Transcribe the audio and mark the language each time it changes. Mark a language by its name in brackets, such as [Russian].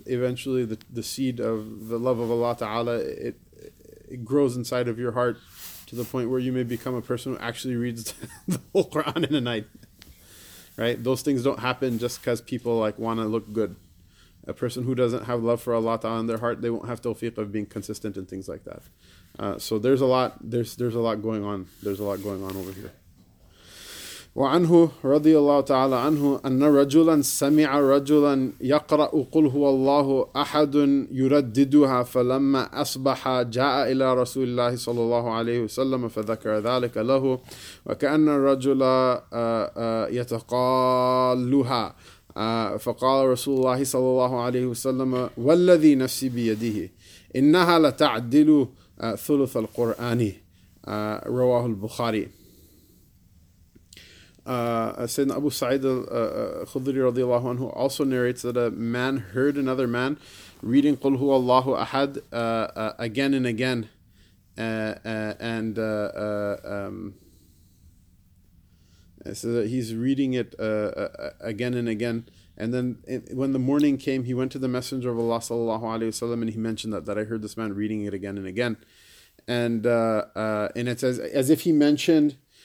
[English] Eventually the seed of the love of Allah Ta'ala, it grows inside of your heart to the point where you may become a person who actually reads the whole Quran in a night. Right? Those things don't happen just because people like want to look good. A person who doesn't have love for Allah Ta'ala in their heart, they won't have tawfiq of being consistent and things like that. So there's a lot going on. There's a lot going on over here. [Arabic] وعنه رضي الله تعالى عنه أن رجلا سمع رجلا يقرأ قل هو الله أحد يرددها فلما أصبح جاء إلى رسول الله صلى الله عليه وسلم فذكر ذلك له وكأن الرجل يتقالها فقال رسول الله صلى الله عليه وسلم والذي نفسي بيده إنها لتعدل ثلث القرآن رواه البخاري. [English] Sayyidina Abu Sa'id al-Khudri radiallahu anhu also narrates that a man heard another man reading Qul Hu Allahu Ahad again and again, and so he's reading it again and again, and then when the morning came, he went to the Messenger of Allah sallallahu alayhi wasallam, and he mentioned that I heard this man reading it again and again, and it's as if he mentioned